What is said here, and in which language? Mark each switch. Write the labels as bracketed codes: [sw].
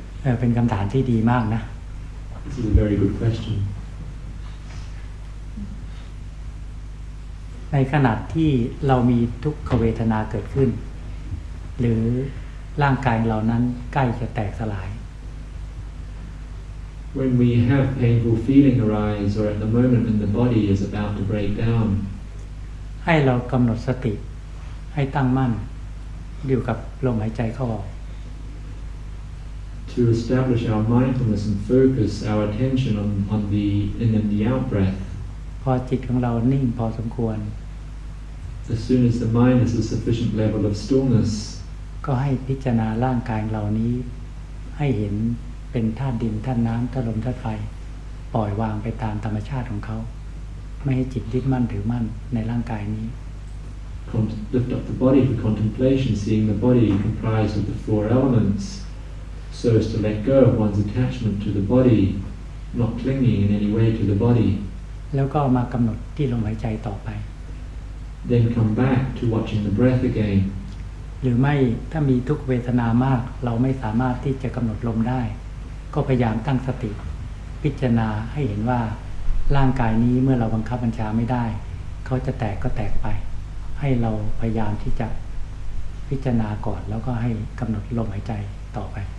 [th] บเป็นคำถามที่ดีมากนะ [en] This is a very good question [th] ในขณะที่เรามีทุกขเวทนาเกิดขึ้นหรือร่างกายเรานั้นใกล้จะแตกสลาย [en] When we have painful feeling arise or at the moment when the body is about to break down [th] ให้เรากำหนดสติให้ตั้งมั่นอยู่กับลมหายใจเข้าออก [en] To establish our mindfulness and focus our attention on the in and the out breath [th] พอจิตของเรานิ่งพอสมควร [en] As soon as the mind is a sufficient level of stillness [th] ก็ให้พิจารณาร่างกายเหล่านี้ให้เห็นเป็นธาตุดินธาตุน้ำธาตุลมธาตุไฟปล่อยวางไปตามธรรมชาติของเขาไม่ให้จิตยึดมั่นถือมั่นในร่างกายนี้ [en] Lift up the body for contemplation, seeing the body comprised of the four elements, so as to let go of one's attachment to the body, not clinging in any way to the body. [th] แล้วก็มากำหนดที่ลมหายใจต่อไป [en] Then come back to watching the breath again. [th] หรือไม่ถ้ามีทุกขเวทนามากเราไม่สามารถที่จะกำหนดลมได้ก็พยายามตั้งสติพิจารณาให้เห็นว่าร่างกายนี้เมื่อเราบังคับบัญชาไม่ได้เขาจะแตกก็แตกไปให้เราพยายามที่จะพิจารณาก่อนแล้วก็ให้กำหนดลมหายใจต่อไป